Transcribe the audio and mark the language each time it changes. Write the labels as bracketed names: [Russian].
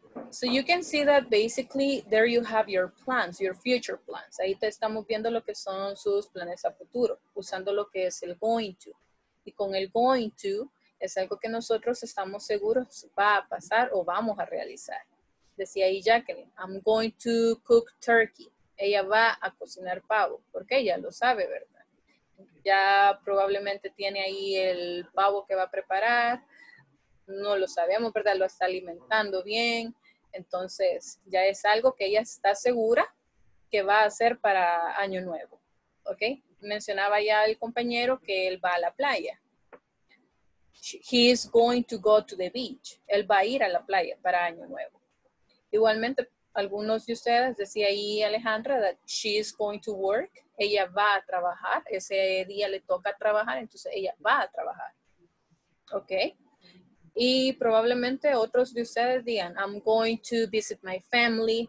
[English] So you can see that basically there you have your plans, your future plans. [Spanish] Ahí te estamos viendo lo que son sus planes a futuro, usando lo que es el going to. Y con el going to, es algo que nosotros estamos seguros va a pasar o vamos a realizar. Decía ahí Jacqueline, [English] I'm going to cook turkey. [Spanish] Ella va a cocinar pavo, porque ella lo sabe, ¿verdad? Ya probablemente tiene ahí el pavo que va a preparar. No lo sabemos, ¿verdad? Lo está alimentando bien. Entonces, ya es algo que ella está segura que va a hacer para Año Nuevo. ¿Ok? Mencionaba ya el compañero que él va a la playa. [English] He is going to go to the beach. [Spanish] Él va a ir a la playa para Año Nuevo. Igualmente, algunos de ustedes decía ahí Alejandra [English] that she is going to work. [Spanish] Ella va a trabajar. Ese día le toca trabajar, entonces ella va a trabajar. ¿Ok? Y probablemente otros de ustedes digan, [English] I'm going to visit my family.